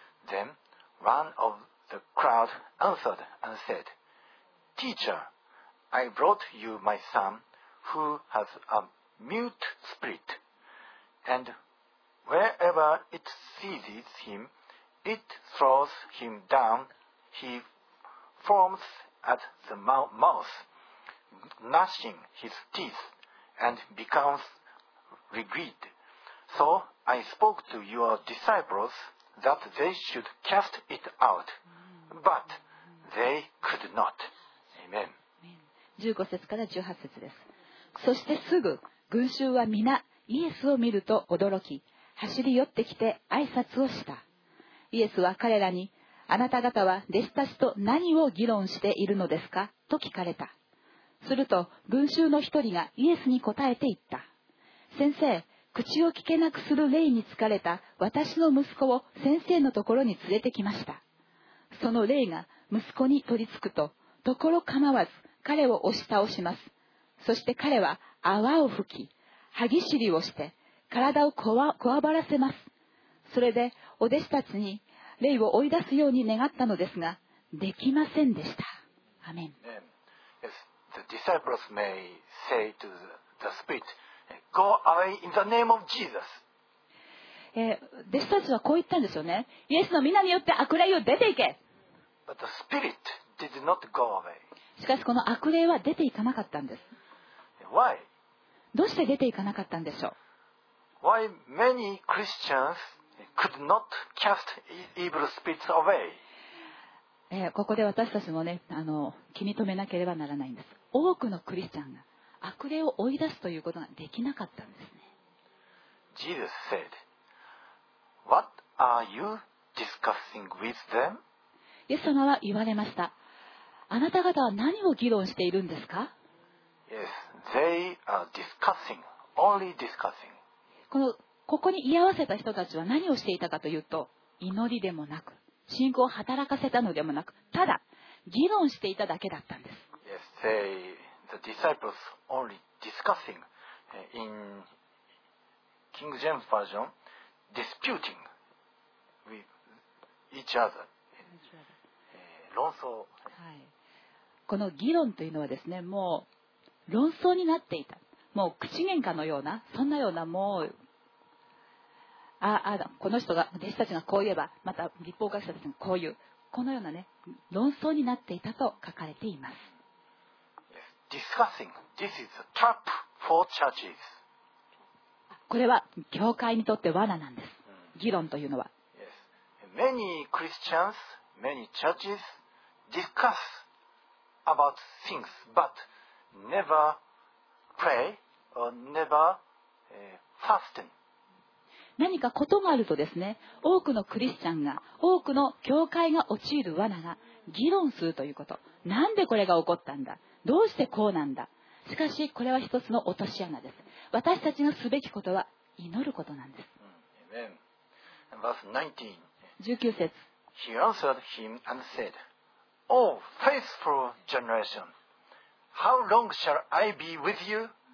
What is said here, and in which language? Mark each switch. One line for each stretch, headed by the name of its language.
English: Then one of the crowd answered and said, Teacher, I brought you my son, who has a mute spirit, and wherever it seizes him, it throws him down, he foams at the mouth, gnashing his teeth, and becomes rigid. So I spoke to your disciples that they should cast it out, but they could not. Amen.
Japanese: 15節から18節です。そしてすぐ群衆は皆イエスを見ると驚き、走り寄ってきて挨拶をした。イエスは彼らに、あなた方は弟子たちと何を議論しているのですか?と聞かれた。すると群衆の一人がイエスに答えて言った。先生、口を聞けなくする霊に疲れた私の息子を先生のところに連れてきました。その霊が息子に取り付くと、ところ構わず彼を押し倒します。そして彼は泡を吹き、歯ぎしりをして体をこわばらせます。それでお弟子たちに霊を追い出すように願ったのですが、できませんでした。アメン。
English: Yes, the disciples may say to the spirit, Go away in the name of Jesus.
Japanese: 弟子たちはこう言ったんですよね。イエスの名によって悪霊を出ていけ。
English: But the spirit did not go away.
Japanese: しかしこの悪霊は出ていかなかったんです。
English: Why?
Japanese: どうして出ていかなかったんでしょう。
English: Why many Christians could not cast evil spirits away?
Japanese: ここで私たちもね、気に留めなければならないんです。多くのクリスチャンが悪霊を追い出すということができなかったんですね。
English: Jesus said, What are you discussing with them?
Japanese: イエス様は言われました。あなた方は何を議論しているんですか?
English: Yes, they are discussing, only discussing.
Japanese: ここに居合わせた人たちは何をしていたかというと、祈りでもなく、信仰を働かせたのでもなく、ただ議論していただけだったんです。
English: Yes, they, the disciples only discussing in King James version, disputing with each other.
Japanese: 論争。はい。この議論というのはですね、もう論争になっていた。もう口喧嘩のような、そんなようなもう、この人が弟子たちがこう言えばまた立法学者たちがこういうこのようなね論争になっていたと書かれています。
English: yes, discussing. This is a trap for churches.
Japanese: これは教会にとって罠なんです。議論というのは、
English: yes. Many Christians, many churches discuss about things but never pray or never fasten.
Japanese: 何かことがあるとですね、多くのクリスチャンが、多くの教会が陥る罠が、議論するということ。なんでこれが起こったんだ?どうしてこうなんだ?しかし、これは一つの落とし穴です。私たちがすべきことは、祈ることなんです。
English: Amen. Verse
Japanese: 19節。
English: He answered him and said, O faithful generation, how long shall I be with you?